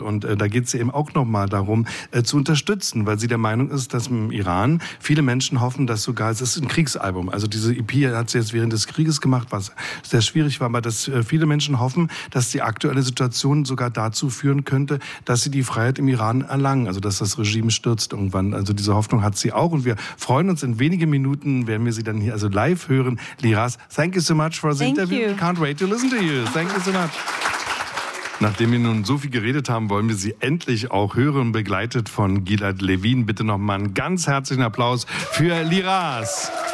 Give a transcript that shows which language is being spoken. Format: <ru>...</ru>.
<de>Und da geht es eben auch nochmal darum, zu unterstützen, weil sie der Meinung ist, dass im Iran viele Menschen hoffen, dass sogar, es ist ein Kriegsalbum, also diese EP hat sie jetzt während des Krieges gemacht, was sehr schwierig war, aber dass viele Menschen hoffen, dass die aktuelle Situation sogar dazu führen könnte, dass sie die Freiheit im Iran erlangen, also dass das Regime stürzt irgendwann. Also diese Hoffnung hat sie auch und wir freuen uns, in wenigen Minuten werden wir sie dann hier also live hören.</de> <en>Liraz, thank you so much for the interview. Thank you. Can't wait to listen to you. Thank you so much.</en> <de>Nachdem wir nun so viel geredet haben, wollen wir sie endlich auch hören, begleitet von Gilad Levin. Bitte nochmal einen ganz herzlichen Applaus für Liraz.</de>